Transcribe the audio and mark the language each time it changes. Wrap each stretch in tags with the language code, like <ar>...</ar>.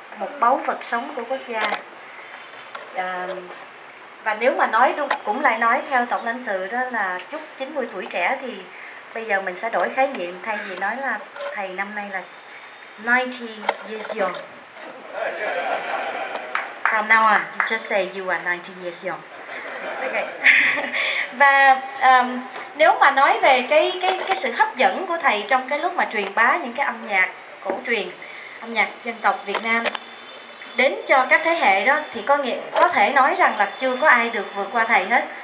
<vi>một báu vật sống của quốc gia. Và nếu mà nói đúng, cũng lại nói theo tổng lãnh sự đó là chúc 90 tuổi trẻ, thì bây giờ mình sẽ đổi khái niệm, thay vì nói là thầy năm nay là</vi> <en>90 years young. From now on, just say you are 90 years young. Okay.</en> <vi>Và nếu mà nói về cái sự hấp dẫn của thầy trong cái lúc mà truyền bá những cái âm nhạc cổ truyền, âm nhạc dân tộc Việt Nam đến cho các thế hệ đó, thì có thể nói rằng là chưa có ai được vượt qua thầy hết.</vi>